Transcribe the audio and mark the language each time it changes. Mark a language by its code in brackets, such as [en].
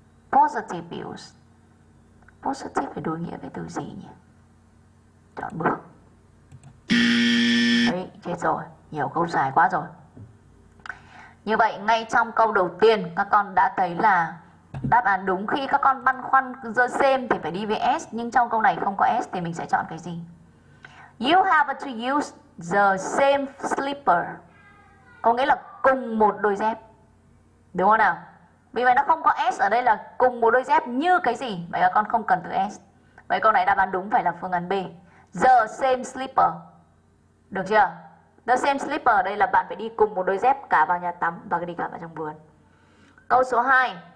[en] Positive views. [vi] Positive phải đối nghĩa với từ gì nhỉ? Chọn bước. Đấy, chết rồi. Nhiều câu dài quá rồi. Như vậy ngay trong câu đầu tiên các con đã thấy là đáp án đúng. Khi các con băn khoăn the same thì phải đi với S, nhưng trong câu này không có S thì mình sẽ chọn cái gì? [en] You have to use the same slipper. [vi] Có nghĩa là cùng một đôi dép. Đúng không nào? Vì vậy nó không có S ở đây là cùng một đôi dép như cái gì? Vậy là con không cần từ S. Vậy câu này đáp án đúng phải là phương án B. [en] The same slipper. [vi] Được chưa? The same slipper đây là bạn phải đi cùng một đôi dép cả vào nhà tắm và đi cả vào trong vườn. Câu số 2.